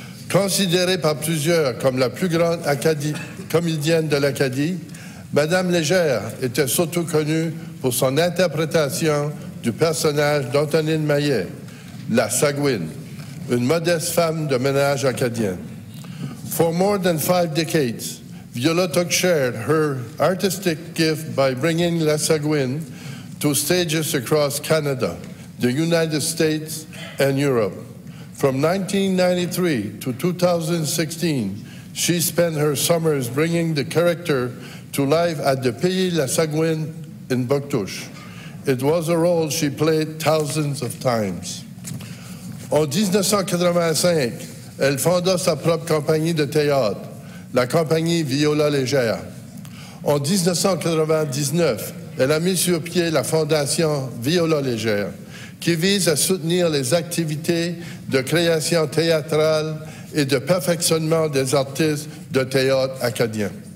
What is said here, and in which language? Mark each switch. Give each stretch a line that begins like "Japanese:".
French: Considérée par plusieurs comme la plus grande comédienne de l'Acadie, Madame Légère était surtout connue pour son interprétation du personnage d'Antonine Maillet, la Sagouine, une modeste femme de ménage acadienne.
English: For more than five decades, Viola took share her artistic gift by bringing La Sagouine to stages across Canada, the United States, and Europe. From 1993 to 2016, she spent her summers bringing the character to life at the Pays La Sagouine in Bouctouche. It was a role she played thousands of times.
French: En 1985, elle fonda sa propre compagnie de théâtre, la compagnie Viola Légère. En 1999, elle a mis sur pied la fondation Viola Légère, qui vise à soutenir les activités de création théâtrale et de perfectionnement des artistes de théâtre acadien.